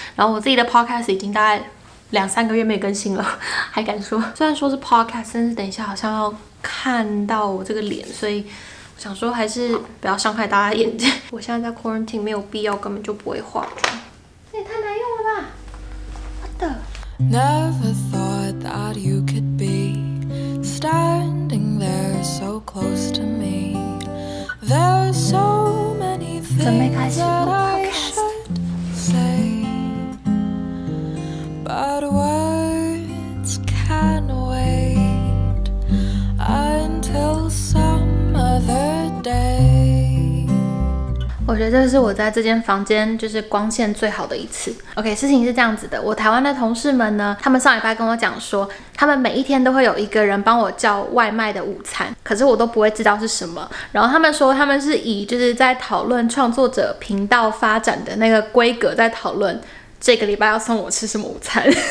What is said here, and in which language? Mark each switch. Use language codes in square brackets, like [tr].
[zh] 然后我自己的 podcast 已经大概两三个月没更新了，还敢说？虽然说是 podcast， 但是等一下好像要看到我这个脸，所以我想说还是不要伤害大家眼睛。我现在在 quarantine， 没有必要，根本就不会化妆。这也太难用了吧 ！ [en] What the？ Never thought that you could be standing there so close to me. There are so many things that I should say, but words can wait until some other day. [zh] 我觉得这是我在这间房间就是光线最好的一次。 OK， 事情是这样子的，我台湾的同事们呢，他们上礼拜跟我讲说，他们每一天都会有一个人帮我叫外卖的午餐，可是我都不会知道是什么。然后他们说他们是以就是在讨论创作者频道发展的那个规格在讨论这个礼拜要送我吃什么午餐。